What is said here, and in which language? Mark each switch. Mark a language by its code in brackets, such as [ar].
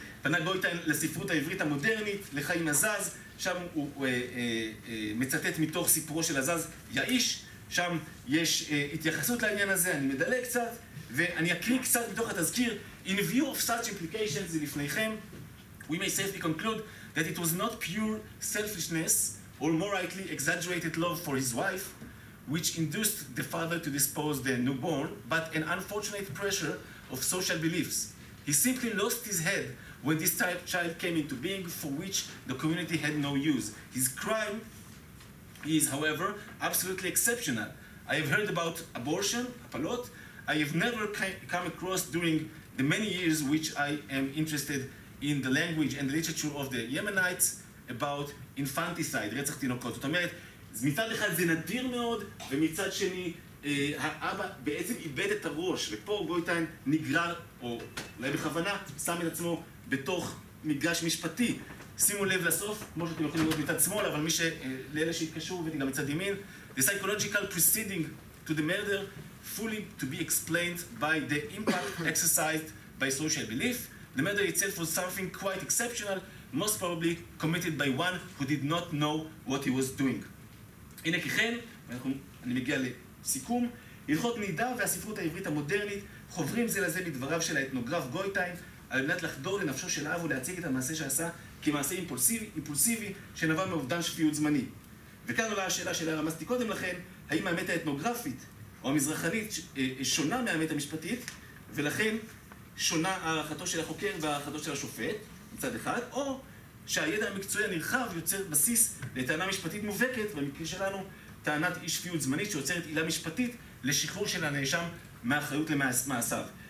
[he] פנה גוייטן לספרות העברית המודרנית, לחיים עזז, שם הוא מצטט מתוך סיפורו של עזז, יאיש, שם יש התייחסות לעניין הזה, אני מדלג קצת, ואני אקריא קצת מתוך התזכיר, [en] In view of such implications, [he] זה לפניכם, [en] we may safely conclude that it was not pure selfishness, or more rightly, exaggerated love for his wife, which induced the father to dispose the newborn, but an unfortunate pressure of social beliefs. He simply lost his head when this child came into being, for which the community had no use. His crime is, however, absolutely exceptional. I have heard about abortion, [he] הפלות. [en] I have never come across during the many years which I am interested in the language and the literature of the Yemenites about infanticide, [he] רצח תינוקות. זאת אומרת, מצד אחד זה נדיר מאוד, ומצד שני, האבא בעצם איבד את הראש, ופה גוייטיין נגרר, או אולי בכוונה, שם את עצמו בתוך מגרש משפטי. שימו לב לסוף, כמו שאתם יכולים לראות מצד שמאל, אבל מי ש... לאלה שהתקשרו, וגם מצד ימין. [en] The psychological preceding to the murder fully to be explained by the impact exercised by social belief. The murder itself was something quite exceptional, most probably committed by one who did not know what he was doing. [he] הנה ככן, אני מגיע לסיכום, הלכות נידה והספרות העברית המודרנית חוברים זה לזה בדבריו של האתנוגרף גוייטיין, על מנת לחדור לנפשו של אב ולהציג את המעשה שעשה כמעשה אימפולסיבי שנבע מאובדן שפיות זמני. וכאן עולה השאלה שאלה רמזתי קודם לכן, האם האמת האתנוגרפית או המזרחנית שונה מהאמת המשפטית, ולכן שונה הערכתו של החוקר והערכתו של השופט מצד אחד, או שהידע המקצועי הנרחב יוצר בסיס לטענה משפטית מובהקת, במקרה שלנו טענת אי שפיות זמנית שיוצרת עילה משפטית לשחרור של הנאשם מהאחריות למעשיו.